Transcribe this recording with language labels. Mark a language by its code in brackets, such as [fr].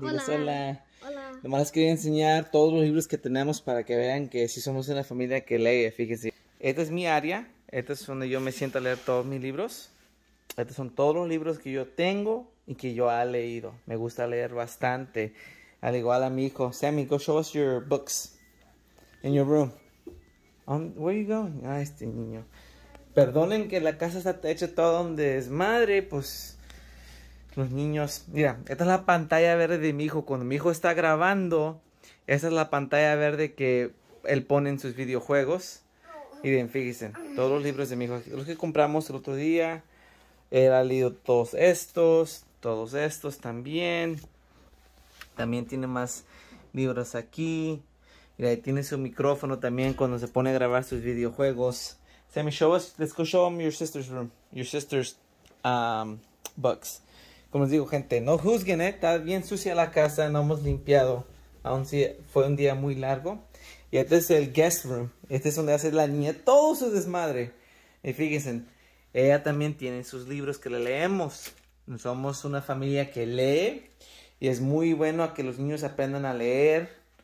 [es] Diles hola. Hola. Nomás les quería enseñar todos los libros que tenemos para que vean que sí somos una familia que lee, fíjense. Esta es mi área. Esta es donde yo me siento a leer todos mis libros. Estos son todos los libros que yo tengo y que yo he leído. Me gusta leer bastante. Al igual a mi hijo. [en] Sammy, go show us your books in your room. Where are you going? [es] Ah, este niño. Perdonen que la casa está hecha todo un desmadre, pues. Los niños. Mira, esta es la pantalla verde de mi hijo. Cuando mi hijo está grabando, esa es la pantalla verde que él pone en sus videojuegos. Y bien, fíjense. Todos los libros de mi hijo. Los que compramos el otro día. Él ha leído todos estos también. También tiene más libros aquí. Y ahí tiene su micrófono también cuando se pone a grabar sus videojuegos. [en] Sammy, show us, let's go show him your sister's room. Your sister's books. [es] como les digo, gente, no juzguen, está bien sucia la casa, no hemos limpiado, aún si fue un día muy largo. Y este es el guest room, este es donde hace la niña todo su desmadre. Y fíjense, ella también tiene sus libros que le leemos. Somos una familia que lee y es muy bueno a que los niños aprendan a leer.